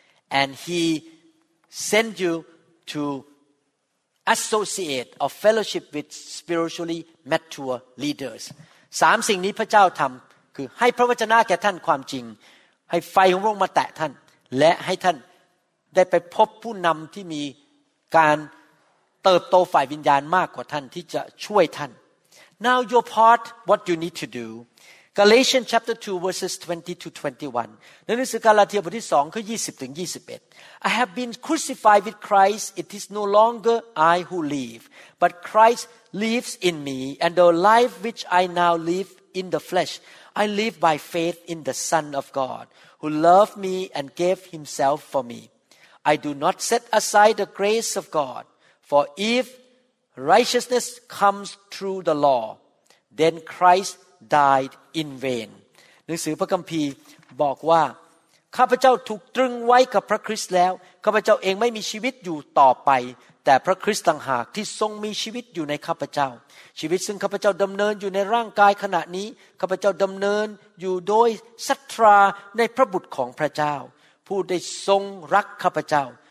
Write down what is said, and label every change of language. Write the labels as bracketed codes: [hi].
[en] And he sent you to associate or fellowship with spiritually mature leaders. [th] สามสิ่งนี้พระเจ้าทำคือให้พระวจนะแก่ท่านความจริงให้ไฟของพระองค์มาแตะท่านและให้ท่านได้ไปพบผู้นำที่มีการ เติบโตฝ่ายวิญญาณมากกว่าท่านที่จะช่วยท่าน [en] Now your part what you need to do Galatians chapter 2 verses 20 to 21 [th] ในหนังสือกาลาเทียบทที่2ข้อ20ถึง21 [en] I have been crucified with Christ it is no longer I who live but Christ lives in me and the life which I now live in the flesh I live by faith in the Son of GodWho loved me and gave himself for me. I do not set aside the grace of God. For if righteousness comes through the law, then Christ died in vain. [th] หนังสือพระคัมภีร์บอกว่าข้าพเจ้าถูกตรึงไว้กับพระคริสต์แล้วข้าพเจ้าเองไม่มีชีวิตอยู่ต่อไปแต่พระคริสต์ต่างหากที่ทรงมีชีวิตอยู่ในข้าพเจ้าชีวิตซึ่งข้าพเจ้าดำเนินอยู่ในร่างกายขณะนี้ข้าพเจ้าดำเนินอยู่โดยศรัทธาในพระบุตรของพระเจ้าผู้ได้ทรงรักข้าพเจ้า